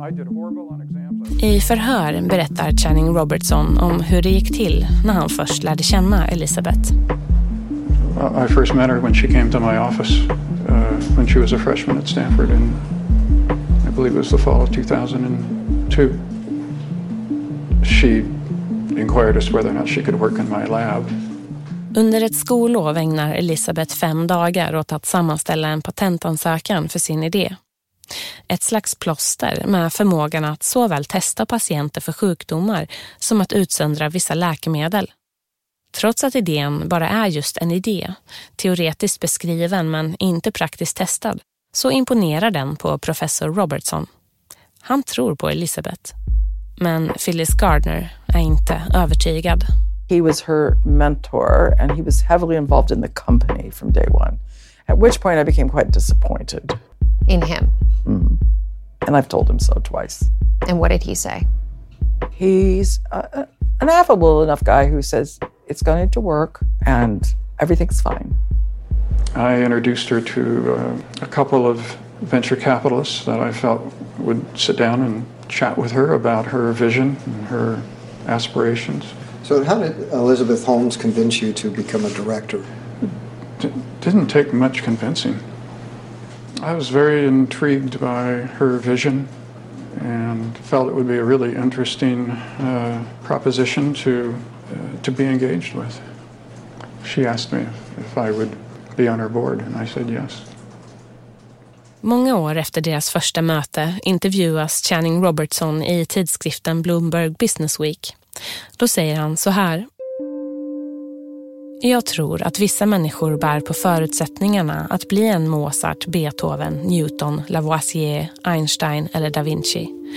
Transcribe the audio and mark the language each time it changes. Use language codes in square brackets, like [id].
[en] I did horrible on exams. [sv] I förhör berättar Channing Robertson om hur det gick till när han först lärde känna Elizabeth. [en] I first met her when she came to my office when she was a freshman at Stanford, and I believe it was the fall of 2002. She inquired us whether or not she could work in my lab. [sv] Under ett skollov ägnar Elizabeth 5 dagar åt att sammanställa en patentansökan för sin idé. Ett slags plåster med förmågan att såväl testa patienter för sjukdomar som att utsöndra vissa läkemedel. Trots att idén bara är just en idé, teoretiskt beskriven men inte praktiskt testad, så imponerar den på professor Robertson. Han tror på Elizabeth. Men Phyllis Gardner är inte övertygad. [en] He was her mentor and he was heavily involved in the company from day one. At which point I became quite disappointed. In him? Mm. And I've told him so twice. And what did he say? He's an affable enough guy who says it's going to work and everything's fine. I introduced her to a couple of venture capitalists that I felt would sit down and chat with her about her vision and her aspirations. So how did Elizabeth Holmes convince you to become a director? Didn't take much convincing. I was very intrigued by her vision and felt it would be a really interesting proposition to be engaged with. She asked me if I would be on her board and I said yes. [sv] Många år efter deras första möte intervjuas Channing Robertson i tidskriften Bloomberg Business Week. Då säger han så här: jag tror att vissa människor bär på förutsättningarna att bli en Mozart, Beethoven, Newton, Lavoisier, Einstein eller Da Vinci.